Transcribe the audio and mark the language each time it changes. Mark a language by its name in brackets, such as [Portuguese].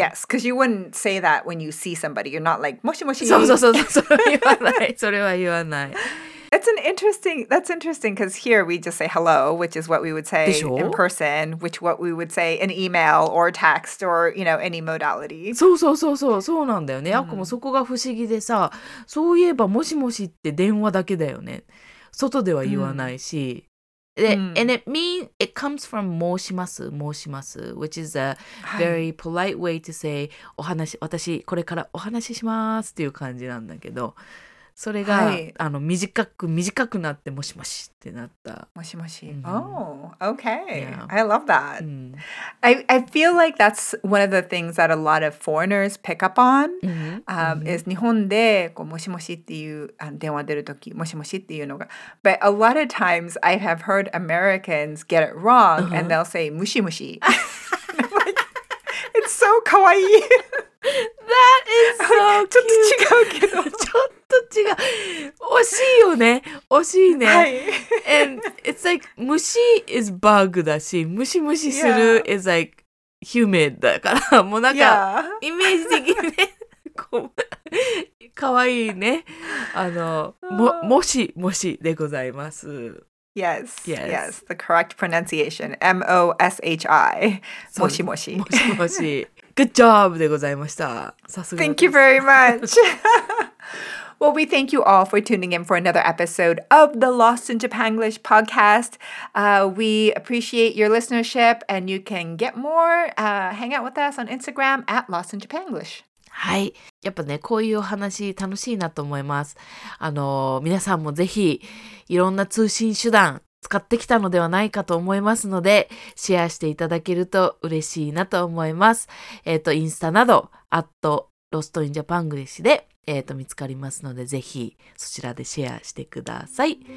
[English] Yes, because you wouldn't say that when you see somebody. You're not like もしもし。 [Japanese] そうそうそうそう。言わない。それは言わない。 [English] That's interesting because here we just say hello, which is what we would say in person, which what we would say in email or text or, you know, any modality. [Japanese] そうそうそうそう、そうなんだよね。あくもそこが不思議でさ、そういえばもしもしって電話だけだよね。外では言わないし。 [English] And it means, it comes from [Japanese] 申します、申します、 [English] which is a very polite way to say, [Japanese] お話、私これからお話ししますっていう感じなんだけど、それが、はい、あの短くなってもしもしってなった。 [English] もしもし。Oh, okay. Yeah. I love that.、I feel like that's one of the things that a lot of foreigners pick up on. [Japanese] Is 日本でこうもしもしっていう電話出るときもしもしっていうのが。 [English] But a lot of times I have heard Americans get it wrong and they'll say もしもし。 It's so かわいい。 That is so cute. [Japanese] ちょっと違うけど。惜しいよね。惜しいね。はい、 [English] And it's like, [Japanese] 虫 is bug だし、ムシムシする [English] is like, humid [Japanese] だから、もうなんか、イメージ的にね、こう、かわいいね。あの、もしもしでございます。 [English] Yes, yes, yes, the correct pronunciation, M-O-S-H-I, もしもし。 [Japanese] もしもし。 [English] Good job [Japanese] でございました。さすが。 [English] Thank you very much. Well, we thank you all for tuning in for another episode of the Lost in Japanglish podcast. We appreciate your listenership and you can get more, hang out with us on Instagram at Lost in Japanglish. [Japanese] はい。やっぱね、こういうお話楽しいなと思います。あの、皆さんもぜひいろんな通信手段使ってきたのではないかと思いますので、シェアしていただけると嬉しいなと思います。インスタなど、@Lost in Japanglish で見つかりますので、ぜひそちらでシェアしてください。